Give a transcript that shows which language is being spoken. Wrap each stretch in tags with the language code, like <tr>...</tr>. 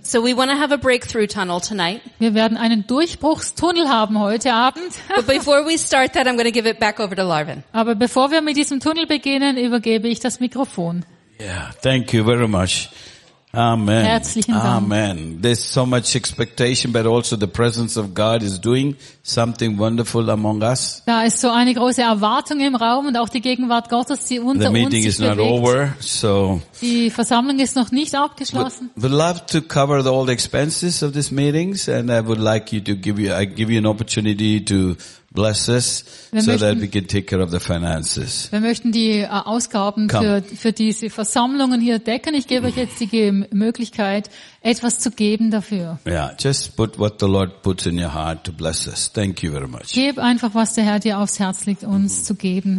<en>So we want to have a breakthrough tunnel tonight.</en> <de>Wir werden einen Durchbruchstunnel haben heute Abend.</de> <en>But before we start that, I'm going to give it back over to Larvin.</en> <de>Aber bevor wir mit diesem Tunnel beginnen, übergebe ich das Mikrofon.</de> <en>Yeah, thank you very much. Amen.</en> <de>Herzlichen Dank. Amen.</de> <en>There's so much expectation, but also the presence of God is doing something wonderful among us.</en> <de>Da ist so eine große Erwartung im Raum und auch die Gegenwart Gottes, die unter uns bewegt.</de> <en>The meeting is not over, so.</en> <de>Die Versammlung ist noch nicht abgeschlossen.</de> <en>We'd love to cover all the expenses of these meetings, and I would like you to give you an opportunity to bless us, so that we can take care of the finances.</en> <de>Wir möchten die Ausgaben für diese Versammlungen hier decken. Ich gebe euch jetzt die Möglichkeit, etwas zu geben dafür.</de> <en>Yeah, just put what the Lord puts in your heart to bless us. Thank you very much.</en> <de>Geb einfach, was der Herr dir aufs Herz legt, uns zu geben.</de>